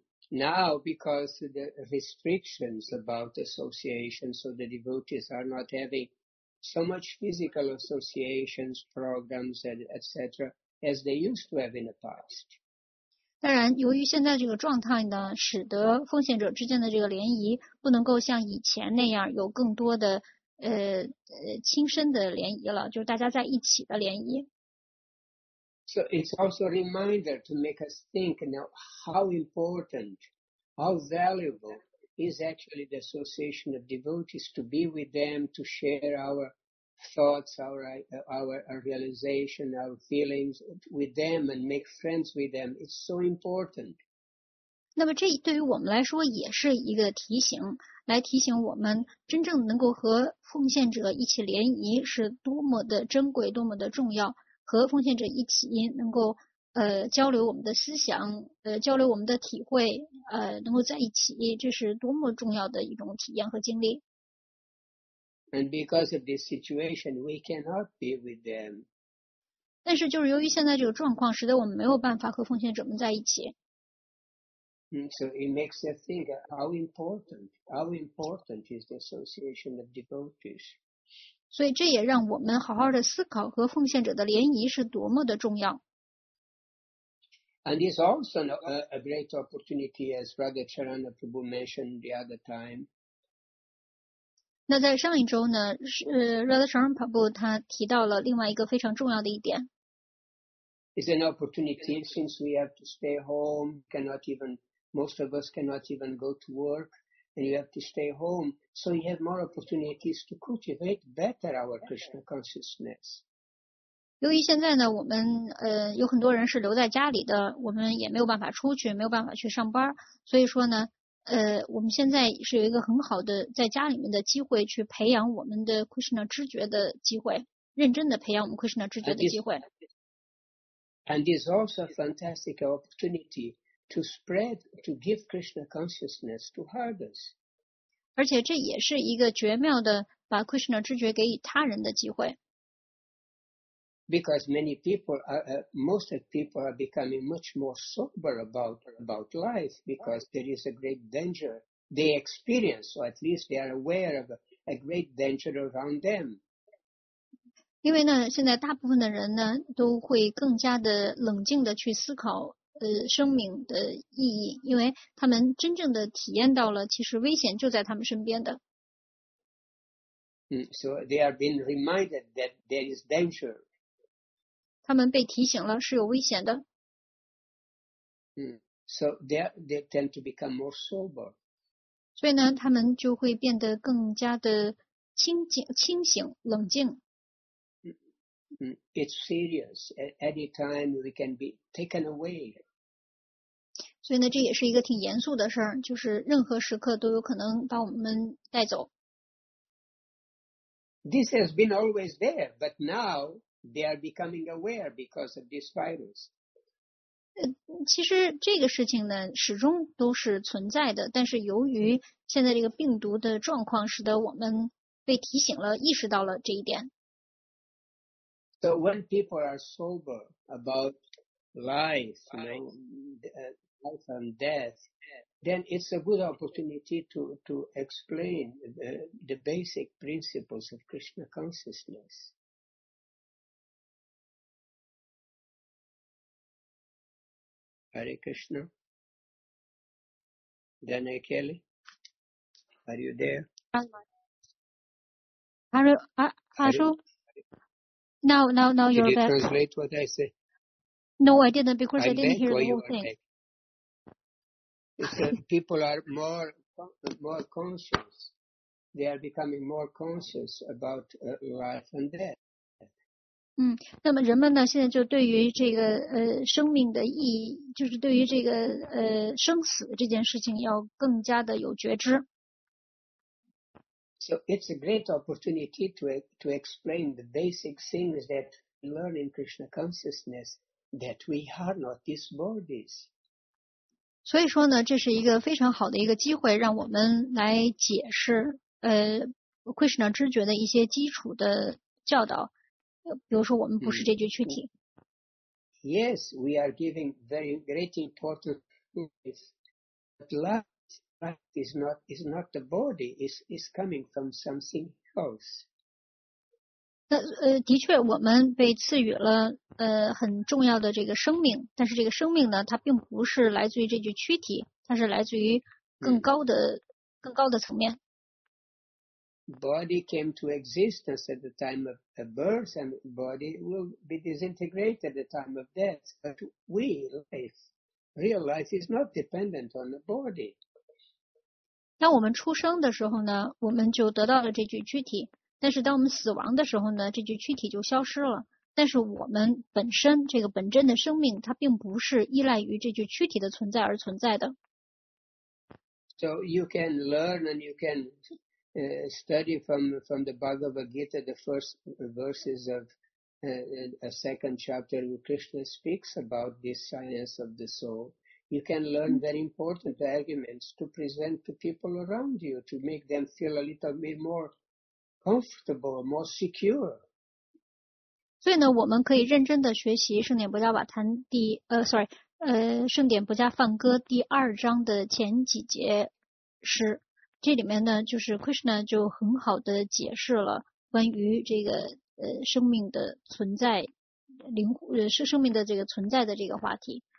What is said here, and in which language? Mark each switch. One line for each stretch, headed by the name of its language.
English: Now, because the restrictions about association, so the devotees are not having so much physical associations, programs, etc. as they used to have in the past.
Chinese: 当然，由于现在这个状态呢，使得奉献者之间的这个联谊不能够像以前那样有更多的亲身的联谊了，就是大家在一起的联谊。
English: So it's also a reminder to make us think now how important, how valuable is actually the association of devotees to be with them, to share our thoughts, our realization, our feelings with them and make friends with them. It's so important.
Chinese: 那么这对于我们来说也是一个提醒，来提醒我们真正能够和奉献者一起联谊是多么的珍贵，多么的重要。和奉献者一起能够交流我们的思想，交流我们的体会，能够在一起，这是多么重要的一种体验和经历。
English: And because of this situation, we cannot be with them.
Chinese: 但是就是由于现在这个状况，使得我们没有办法和奉献者们在一起。
English: So it makes us think how important is the association of devotees.
Chinese: 所以这也让我们好好的思考和奉献者的联谊是多么的重要。
English: And it's also a great opportunity, as Brother Charana Prabhu mentioned the other time.
Chinese: 那在上一周呢，Brother Charana Prabhu 他提到了另外一个非常重要的一点。
English: It's an opportunity since we have to stay home, most of us cannot even go to work. And you have to stay home, so you have more opportunities to cultivate better our Krishna consciousness.
Chinese: 由于现在呢，我们有很多人是留在家里的，我们也没有办法出去，没有办法去上班，所以说呢，我们现在是有一个很好的在家里面的机会，去培养我们的 Krishna 知觉的机会，认真的培养我们 Krishna 知觉的机会。
English: And this is also a fantastic opportunity. To give Krishna consciousness to others.
Chinese: 而且这也是一个绝妙的把 Krishna 知觉给予他人的机会。
English: Because many people, most of people are becoming much more sober about life because there is a great danger they experience, or at least they are aware of a great danger around them.
Chinese: 因为呢，现在大部分的人呢，都会更加的冷静的去思考。生命的意义，因为他们真正的体验到了，其实危险就在他们身边的。
English: So they are being reminded that there is danger.
Chinese: 他们被提醒了是有危险的。
English: So they tend to become more sober.
Chinese: 所以呢，他们就会变得更加的清醒、冷静。
English: It's serious. At any time we can be taken away.
Chinese: 所以呢，这也是一个挺严肃的事儿，就是任何时刻都有可能把我们带走。
English: This has been always there, but now they are becoming aware because of this virus.
Chinese: 其实这个事情呢，始终都是存在的，但是由于现在这个病毒的状况，使得我们被提醒了，意识到了这一点。
English: So when people are sober about life and death, then it's a good opportunity to explain the basic principles of Krishna consciousness. Hare Krishna? Dana Kelly? Are you there? No, you're back. Did you translate what I said? No, I didn't, because I didn't hear the whole thing. People are more conscious. They are becoming more conscious about life and death.
Chinese: 那么人们呢，现在就对于这个生命的意义，就是对于这个生死这件事情，要更加的有觉知。
English: So it's a great opportunity to explain the basic things that we learn in Krishna consciousness, that we are not these bodies.
Chinese: 所以说呢，这是一个非常好的一个机会，让我们来解释Krishna 知觉的一些基础的教导。比如说，我们不是这具躯体。
English: Yes, we are giving very great importance to this. But life is not the body, is coming from something else.
Chinese: 的确，我们被赐予了很重要的这个生命，但是这个生命呢，它并不是来自于这具躯体，它是来自于更高的层面。
English: Body came to existence at the time of the birth, and body will be disintegrated at the time of death. But real life is not dependent on the body.
Chinese: 当我们出生的时候呢，我们就得到了这具躯体，但是当我们死亡的时候呢，这具躯体就消失了。但是我们本身这个本真的生命，它并不是依赖于这具躯体的存在而存在的。
English: So you can learn and you can study from the Bhagavad Gita, the first verses of a second chapter, where Krishna speaks about this science of the soul. You can learn very important arguments to present to people around you to make them feel a little bit more comfortable, more secure.
Chinese: 所以呢，我们可以认真的学习《圣典不加瓦坛》第，
English: sorry，
Chinese: 《圣典不加梵歌》第二章的前几节诗。这里面呢，就是 Krishna 就很好的解释了关于这个生命的存在、灵是生命的这个存在的这个话题。